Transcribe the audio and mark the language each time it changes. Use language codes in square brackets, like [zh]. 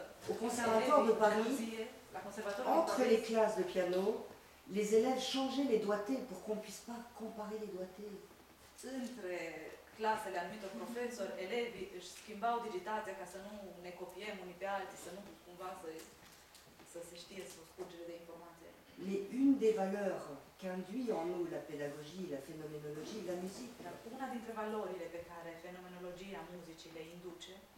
[fr] Au conservatoire de Paris, entre les classes de piano, les élèves changeaient les doigtés pour qu'on ne puisse pas comparer les doigtés. [ro] Între clasele anumitor profesori, elevii își schimbau digitația ca să nu ne copiem unii pe alții, să nu cumva să se știe sau scurgere de informație. [fr] Mais une des valeurs qu'induit en nous la pédagogie, la phénoménologie, la musique. [ro] Una dintre valorile pe care fenomenologia muzicii le induce,